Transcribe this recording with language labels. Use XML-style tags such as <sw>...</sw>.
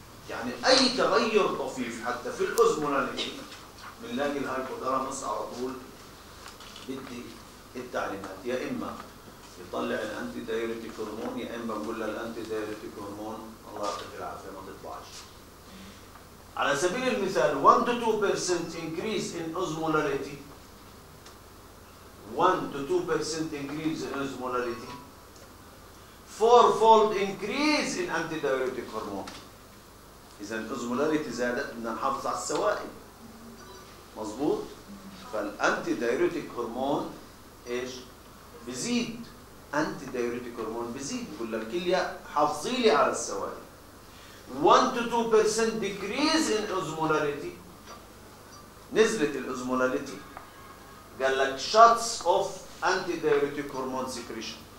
<ar>يعني اي تغير طفيف حتى في الاوزمولاريتي بنلاقي الهايبوثالاموس على طول بدي التعليمات، يا اما يطلع الانتي دايوريتيك هرمون، يا اما بقول له الانتي دايوريتيك هرمون الله يعطيك العافيه ما تطلعش. على سبيل المثال</ar> <en>1-2% increase in osmolarity، 1-2% increase in osmolarity 4-fold increase in anti diuretic hormone.</en> <ar>اذا الاوزمولاريتي زادت بدنا نحافظ على السوائل، مظبوط؟ فالانتي دايوريتيك هرمون ايش؟ بزيد. انتي دايوريتيك هرمون بزيد، بقول لك كلية حافظي لي على السوائل.</ar> <en>1-2% decrease in osmolarity،</en> <ar>نزلت الاوزمولاريتي، قال لك</ar> <en>shuts off antidiuretic hormone secretion.</en>